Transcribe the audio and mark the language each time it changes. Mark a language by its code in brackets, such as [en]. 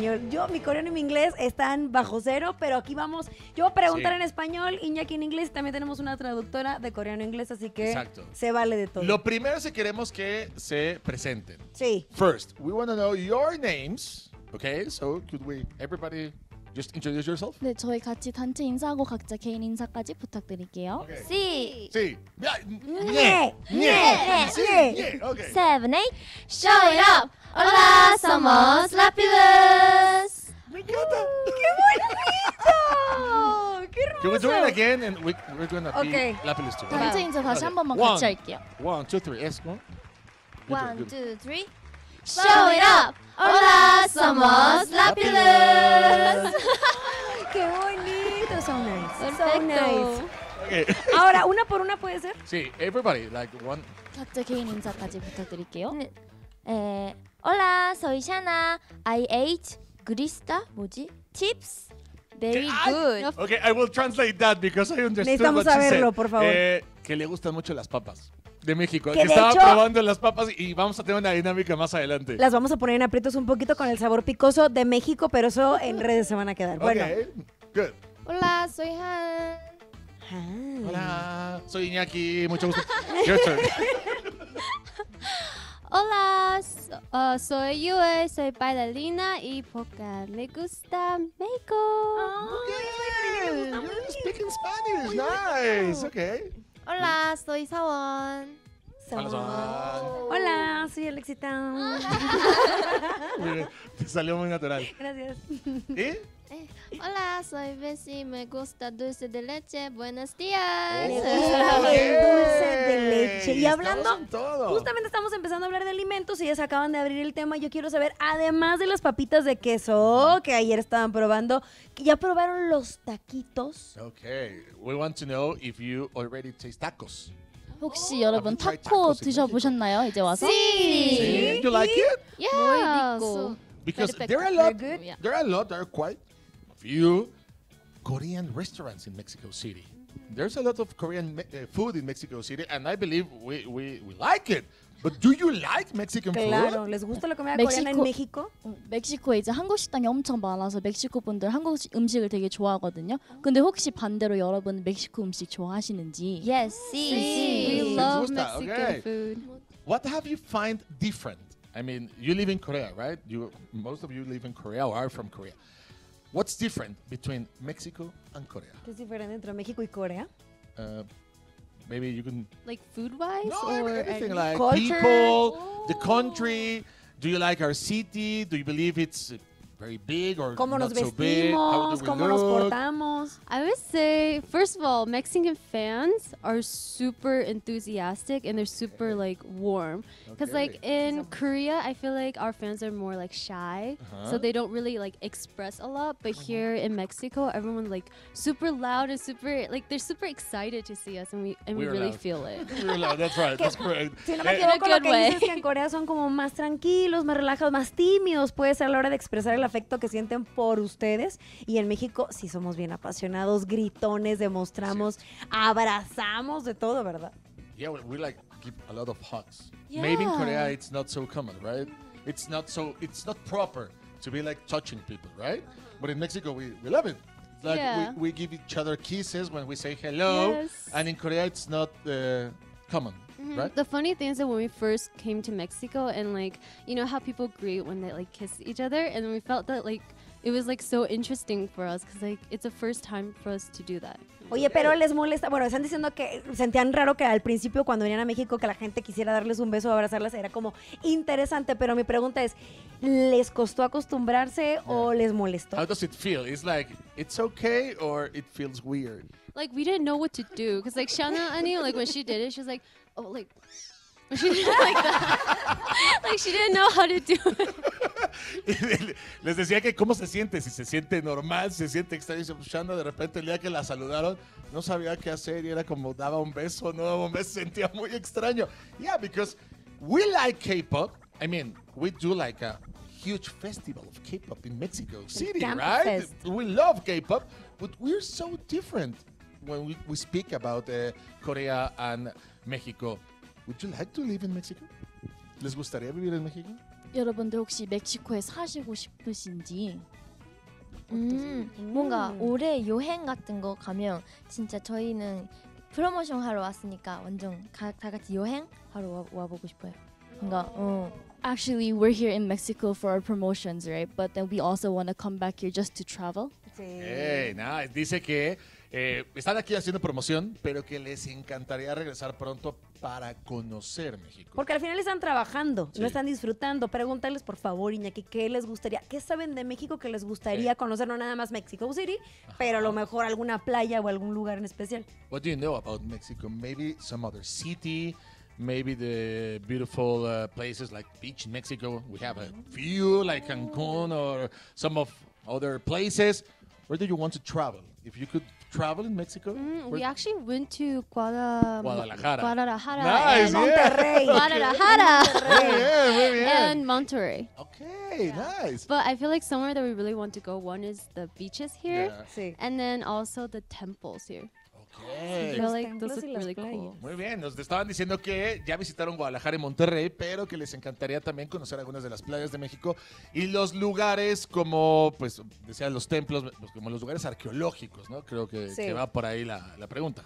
[es] Yo, mi coreano y mi inglés están bajo cero, pero aquí vamos. Yo voy a preguntar en español, Iñaki en inglés. También tenemos una traductora de coreano e inglés, así que se vale de todo. Lo primero es que queremos que se presenten. Sí. [en] First, we want to know your names. Okay, so could we, everybody, just introduce yourself? [ko] 네, 저희 같이 단체 인사하고 각자 개인 인사까지 부탁드릴게요. [es] Sí. Sí. [ko] 네. 네. 네. 네. [en] Okay. 7, 8. Show it up. [es] Hola, somos Lapiluz. Me encanta. ¡Qué bonito! ¡Qué hermoso! [en] Can we do it again? And we're going to be Lapiluz too. [ko] 단체 인사 다시 한 번만 같이 할게요. [en] 1, 2, 3. Yes, go. 1, 2, 3. Show it up! [es] Hola, somos Lapiluz! ¡Qué bonito! [en] So nice. [es] Perfecto. [en] So nice. Okay. [es] Ahora, una por una puede ser? Sí, [en] everybody, like one. [ko] 각자 개인 인사까지 부탁드릴게요. [es] Hola, soy Shana. [en] I ate grista, [ko] 뭐지? [en] Chips? Very good. Okay, I will translate that because I understood [es] necesitamos [en] what she [es] saberlo, Necesitamos saberlo, por favor. Que le gustan mucho las papas. De México, que estaba hecho, probando las papas y vamos a tener una dinámica más adelante. Las vamos a poner en aprietos un poquito con el sabor picoso de México, pero eso en redes se van a quedar. Bueno. [en] Okay, good. [es] Hola, soy Han. Hola, soy Iñaki, mucho gusto. [en] Your turn. [es] Hola, soy Yue, soy bailarina y poca le gusta México. [en] Oh, you're speaking Spanish, nice, okay. [es] Hola, soy Sawon. Hola, soy Alexita. Te salió muy natural. Gracias. Hola, soy Bessie, me gusta dulce de leche. Buenos días. Dulce de leche. Y hablando, justamente estamos empezando a hablar de alimentos y ya se acaban de abrir el tema. Yo quiero saber, además de las papitas de queso que ayer estaban probando, ¿ya probaron los taquitos? [en] Ok, we want to know if you already taste tacos. [ko] 혹시 여러분 타코 드셔보셨나요, 이제 와서? [es] Sí. [en] Do you like it? Yeah. Because there are a lot, there are quite few Korean restaurants in Mexico City. There's a lot of Korean food in Mexico City, and I believe we like it. But do you like Mexican food? [es] Claro, ¿les gusta la comida coreana en México? [ko] 멕시코에 이제 한국 식당이 엄청 많아서 멕시코 분들 한국 음식을 되게 좋아하거든요. 근데 혹시 반대로 여러분 멕시코 음식 좋아하시는지? [en] Yes, [es] sí. [en] We love Mexican food. What have you find different? I mean, you live in Korea, right? You most of you live in Korea or are from Korea. What's different between Mexico and Korea? [es] ¿Qué es diferente entre México y Corea? [en] Maybe you can... Like food-wise? No, or anything like culture? People, the country. Do you like our city? Do you believe it's very big or [es] ¿cómo nos vestimos, [en] so big? How do we [es] ¿cómo [en] look? [es] Nos portamos? [en] I would say, first of all, Mexican fans are super enthusiastic and they're super like warm. Because like in Korea, I feel like our fans are more like shy. Uh-huh. So they don't really like express a lot. But here in Mexico, everyone like super loud and super, like they're super excited to see us and we really loud. Feel it. We're loud, that's right, that's correct. [es] Si no me equivoco, lo que dices es que en Corea son como más tranquilos, más relajados, más tímidos. Puede ser a la hora de expresar el afecto que sienten por ustedes. Y en México sí somos bien apasionados, gritones, demostramos, abrazamos de todo, ¿verdad? [en] Yeah, we like give a lot of hugs. Yeah. Maybe in Korea it's not so common, right? It's not proper to be like touching people, right? But in Mexico we love it. Like we give each other kisses when we say hello. Yes. And in Korea it's not common. Mm-hmm. Right? The funny thing is that when we first came to Mexico and like, you know how people greet when they like kiss each other? And then we felt that like, it was like so interesting for us because like, it's the first time for us to do that. [es] Oye, pero les molesta, bueno, están diciendo que sentían raro que al principio cuando venían a México que la gente quisiera darles un beso o abrazarlas, era como interesante, pero mi pregunta es, ¿les costó acostumbrarse o les molestó? [en] How does it feel? It's like, it's okay or it feels weird? Like, we didn't know what to do because like, Shana Ani, like when she did it, she was like, oh, like, she did it like that. Like, she didn't know how to do it. [es] Les decía que cómo se siente, si se siente normal, si se siente extraño. Shanda, de repente el día que la saludaron, no sabía qué hacer y era como daba un beso, no daba un beso, se sentía muy extraño. [en] Yeah, because we like K-pop. I mean, we do like a huge festival of K-pop in Mexico City, right? We love K-pop, but we're so different when we speak about Korea and Mexico. Would you like to live in Mexico? [es] ¿Les gustaría vivir en México? [ko] 여러분들 혹시 멕시코에 사시고 싶으신지 뭔가 올해 여행 같은 거 가면 진짜 저희는 프로모션 하러 왔으니까 완전 다 같이 여행 하러 와 보고 싶어요. 뭔가 [en] Actually, we're here in Mexico for our promotions, right? But then we also want to come back here just to travel. [es] Hey, nah, dice que están aquí haciendo promoción, pero que les encantaría regresar pronto para conocer México. Porque al final están trabajando, sí. No están disfrutando. Pregúntales, por favor, Iñaki, ¿qué les gustaría? ¿Qué saben de México que les gustaría conocer? No nada más Mexico City, pero a lo mejor alguna playa o algún lugar en especial. [en] What do you know about Mexico? Maybe some other city. Maybe the beautiful places like beach in Mexico. We have a few like Cancun or some of other places. Where do you want to travel? If you could travel in Mexico. We actually went to Guadalajara. Guadalajara. Nice, and Monterrey. Guadalajara. Yeah, yeah, yeah. And Monterrey. Okay, yeah. Nice. But I feel like somewhere that we really want to go, one is the beaches here. Yeah. And then also the temples here. [es] Muy bien, nos estaban diciendo que ya visitaron Guadalajara y Monterrey, pero que les encantaría también conocer algunas de las playas de México y los lugares como, pues, decía, los templos, pues, como los lugares arqueológicos, ¿no? Creo que, sí. Que va por ahí la pregunta.